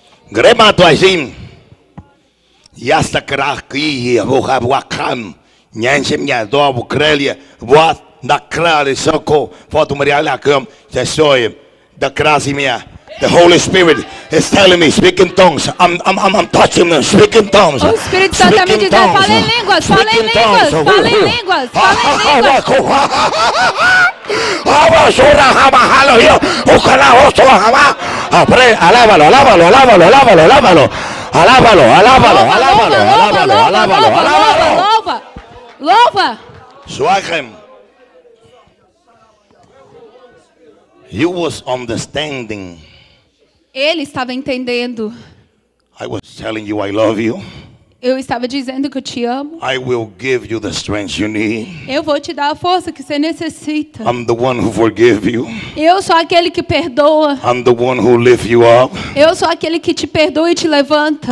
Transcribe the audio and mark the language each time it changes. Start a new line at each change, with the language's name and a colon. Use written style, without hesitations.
English: Gremato Azim Yasta Kraki, who have Wakam, Nansem Yado, Ukrelia, what the Kral is so called for to Maria Lakum, the soil, the Krasimia. The Holy Spirit is telling me, speak in tongues. I'm touching them, speak in tongues.
Portuguese: O Espírito Santo está me dizendo, fala em línguas, fala em línguas, fala em línguas, fala em línguas.
Spanish: Alábalo, alábalo, alábalo, alábalo, alábalo, alábalo, alábalo, alábalo, alábalo, alábalo, alábalo,
Portuguese: louva, louva. Suachem.
English: He was understanding.
Portuguese: Ele estava entendendo.
English: I was telling you I love you.
Portuguese: Eu estava dizendo que eu te amo.
English: I will give you the strength you need.
Portuguese: Eu vou te dar a força que você necessita.
English: I'm the one who forgive you.
Portuguese: Eu sou aquele que perdoa.
English: I'm the one who lift you up.
Portuguese: Eu sou aquele que te perdoa e te levanta.